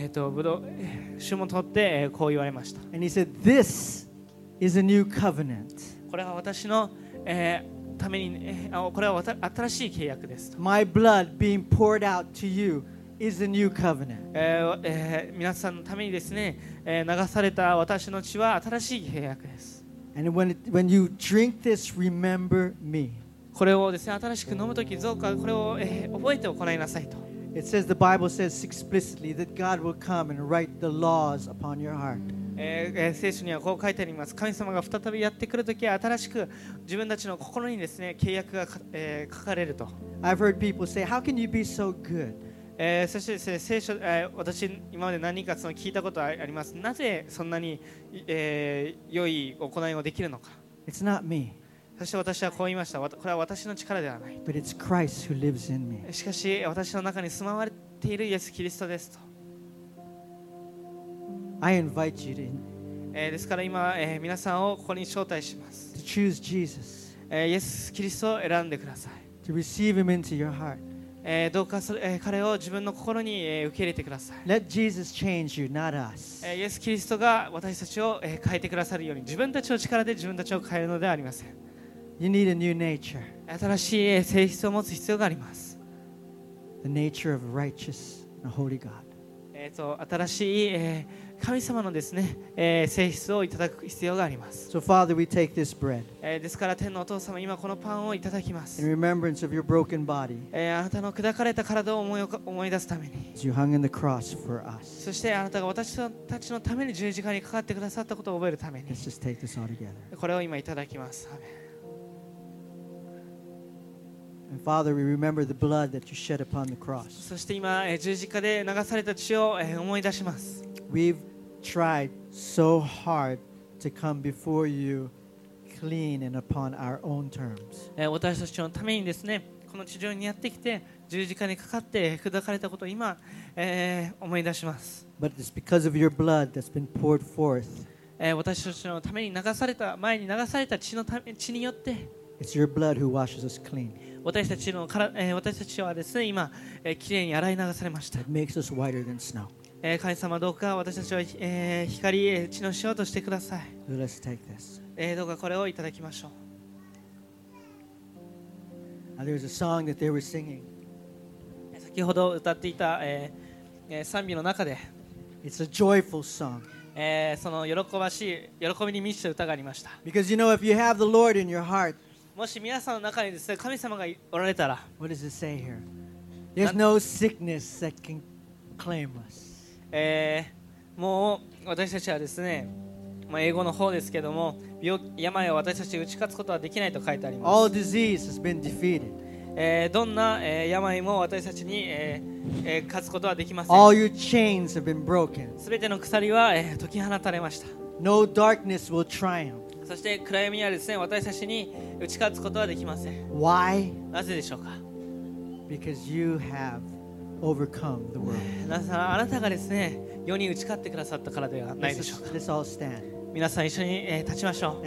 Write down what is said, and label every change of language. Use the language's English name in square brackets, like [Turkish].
[Japanese] ブドウ、酒も取って、こう言われました。 [English] And he said, "This is a new covenant." [Japanese] これは私の、ために、これは新しい契約ですと。 [English] My blood being poured out to you is a new covenant. [Japanese] 皆さんのためにですね、流された私の血は新しい契約です。 [English] And when you drink this, remember me. [Japanese] これをですね、新しく飲むとき、どうかこれを、覚えて行いなさいと。 [English] It says the Bible says explicitly that God will come and write the laws upon your heart. [Japanese] 聖書にはこう書いてあります。神様が再びやってくるときは新しく自分たちの心にですね、契約が、書かれると。 [English] I've heard people say, how can you be so good? [Japanese] そしてですね、聖書、私今まで何かその聞いたことはあります。なぜそんなに、良い行いをできるのか。 [English] It's not me. [Japanese] そして私はこう言いました。これは私の力ではない。 [English] But it's Christ who lives in me. [Japanese] しかし私の中に住まわれているイエス・キリストですと。 [English] I invite you to. [Japanese] ですから今、皆さんをここに招待します。 [English] To choose Jesus. [Japanese] イエス・キリストを選んでください。 [English] To receive him into your heart. [Japanese] どうか彼を自分の心に、受け入れてください。 [English] Let Jesus change you, not us. [Japanese] イエス・キリストが私たちを、変えてくださるように、自分たちの力で自分たちを変えるのではありません。 [English] You need a new nature. [Japanese] 新しい、性質を持つ必要があります。 [English] The nature of a righteous and holy God. [Japanese] 新しい、神様のですね、性質をいただく必要があります。 [English] So Father, we take this bread. [Japanese] ですから天のお父様、今このパンをいただきます。 [English] In remembrance of your broken body. [Japanese] あなたの砕かれた体を思い出すために。 [English] As you hung in the cross for us. [Japanese] そしてあなたが私たちのために十字架にかかってくださったことを覚えるために。 [English] Let's just take this all together. [Japanese] これを今いただきます。アーメン。 [English] And Father, we remember the blood that you shed upon the cross. [Japanese] そして今、十字架で流された血を、思い出します。 [English] We've tried so hard to come before you clean and upon our own terms. [Japanese] 私たちのためにですね、この地上にやってきて、十字架にかかって砕かれたことを今、思い出します。 [English] But it's because of your blood that's been poured forth. [Japanese] 私たちのために流された、前に流された血のため、血によって、 [English] It's your blood who washes us clean. [Japanese] 私たちのから、私たちはですね、今、きれいに洗い流されました。 [English] It makes us whiter than snow. [Japanese] 神様どうか私たちを、光、血の塩としてください。 [English] Let's take this. [Japanese] どうかこれをいただきましょう。 [English] Now, there's a song that they were singing. [Japanese] 先ほど歌っていた、賛美の中で、 [English] It's a joyful song. [Japanese] その喜ばしい、喜びに満ちた歌がありました。 [English] Because you know, if you have the Lord in your heart, [Japanese] もし皆さんの中にですね、神様がおられたら、 [English] What does it say here? There's no sickness that can claim us. [Japanese] もう私たちはですね、まあ、英語の方ですけども、病を私たちに打ち勝つことはできないと書いてあります。 [English] All disease has been defeated. [Japanese] どんな、病も私たちに、勝つことはできません。 [English] All your chains have been broken. [Japanese] 全ての鎖は、解き放たれました。 [English] No darkness will triumph. [Japanese] そして暗闇はですね、私たちに打ち勝つことはできません。 [English] Why? [Japanese] なぜでしょうか。 [English] Because you have overcome the world. [Japanese] なぜならあなたがですね、世に打ち勝ってくださったからではないでしょうか。 [English] Let's all stand. [Japanese] 皆さん一緒に、立ちましょう。